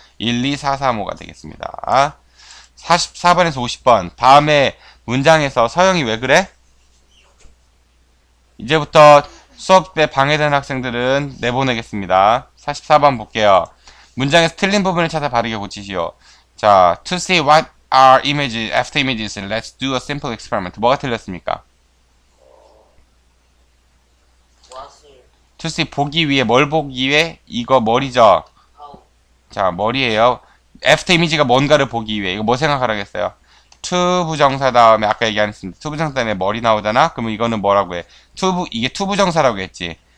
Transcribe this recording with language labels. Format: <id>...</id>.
<ko>1, 2, 4, 3, 5가 되겠습니다. 44번에서 50번. 다음에 문장에서 서영이 왜 그래? 이제부터 수업 때 방해되는 학생들은 내보내겠습니다. 44번 볼게요. 문장에서 틀린 부분을 찾아 바르게 고치시오.</ko> <en>자, to see what are images, after images, let's do a simple experiment.</en> <ko>뭐가 틀렸습니까? To see, 보기 위해, 뭘 보기 위해? 이거 머리죠? 자, 머리예요. after image가 뭔가를 보기 위해. 이거 뭐 생각하라겠어요? to 부정사 다음에, 아까 얘기했습니다. to 부정사 다음에 머리 나오잖아? 그러면 이거는 뭐라고 해? 이게 to 부정사라고 했지.</ko>